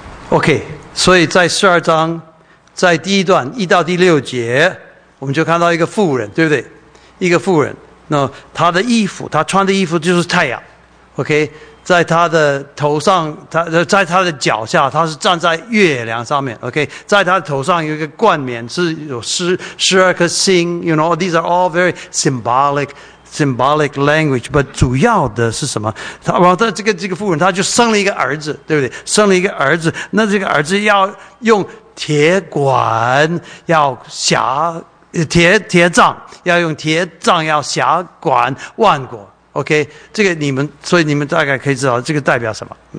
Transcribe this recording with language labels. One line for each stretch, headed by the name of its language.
Chinese: OK， 所以在十二章在第一段一到第六节我们就看到一个妇人，对不对？一个妇人，那她的衣服，她穿的衣服就是太阳。 OK，在他的头上，在他的脚下，他是站在月亮上面。 OK， 在他的头上有一个冠冕，是有12颗星。
English: You know, these are all very symbolic language.
Chinese: But 主要的是什么？这个妇人，他就生了一个儿子，对不对？生了一个儿子，那这个儿子要用铁管，要辖铁杖，要用铁杖要辖管万国。 OK， 这个你们，所以你们大概可以知道这个代表什么。